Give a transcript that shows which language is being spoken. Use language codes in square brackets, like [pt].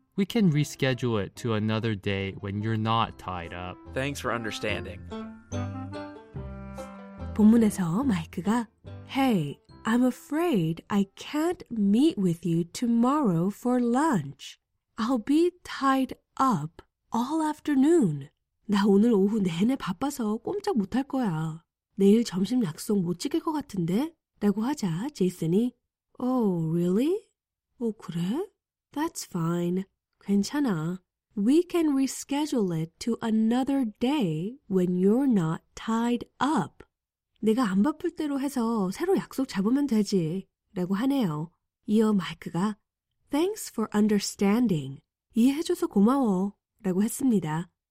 [en] We can reschedule it to another day when you're not tied up. Thanks for understanding. [ko] 본문에서 마이크가 [en] Hey, I'm afraid I can't meet with you tomorrow for lunch. I'll be tied up all afternoon. [ko] 나 오늘 오후 내내 바빠서 꼼짝 못할 거야. 내일 점심 약속 못 지킬 것 같은데? 라고 하자 제이슨이 [en] Oh, really? [ko] 어, 그래? [en] That's fine. [ko] 괜찮아. [en] We can reschedule it to another day when you're not tied up. [ko] 내가 안 바쁠 대로 해서 새로 약속 잡으면 되지 라고 하네요. 이어 마이크가 [en] Thanks for understanding. [ko] 이해해줘서 고마워 라고 했습니다.